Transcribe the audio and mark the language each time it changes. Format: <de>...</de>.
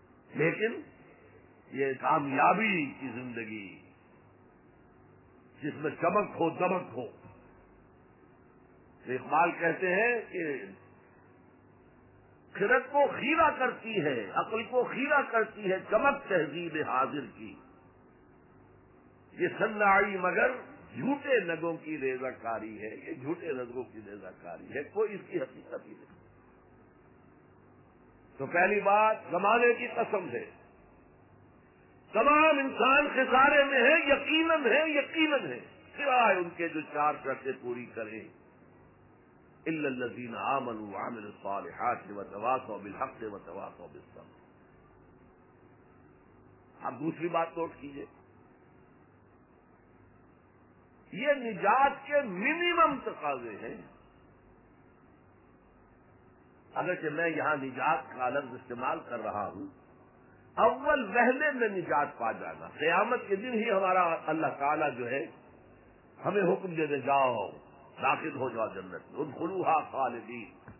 <ur>لیکن یہ کامیابی کی زندگی جس میں چمک ہو دمک ہو، اقبال کہتے ہیں کہ خرد کو خیرہ کرتی ہے، عقل کو خیرہ کرتی ہے چمک تہذیب حاضر کی، یہ سناڑی مگر جھوٹے نگوں کی ریزہ کاری ہے، یہ جھوٹے نگوں کی ریزہ کاری ہے، کوئی اس کی حقیقت ہی نہیں. تو پہلی بات زمانے کی قسم ہے، تمام انسان خسارے میں ہیں، یقیناً ہیں، یقیناً ہیں، سوائے ان کے جو چار شرطیں پوری کریں.</ur> <ar>الا الذين امنوا وعملوا الصالحات وتواصوا بالحق وتواصوا بالصبر.</ar> <ur>اب دوسری بات نوٹ کیجئے، یہ نجات کے منیمم تقاضے ہیں. اگرچہ میں یہاں نجات کا لفظ استعمال کر رہا ہوں، اول وہلے میں نجات پا جانا، قیامت کے دن ہی ہمارا اللہ تعالیٰ جو ہے ہمیں حکم دے دے جاؤ داخل ہو جاؤ جنت میں،</ur> <ar>ادخلوها خالدین.</ar>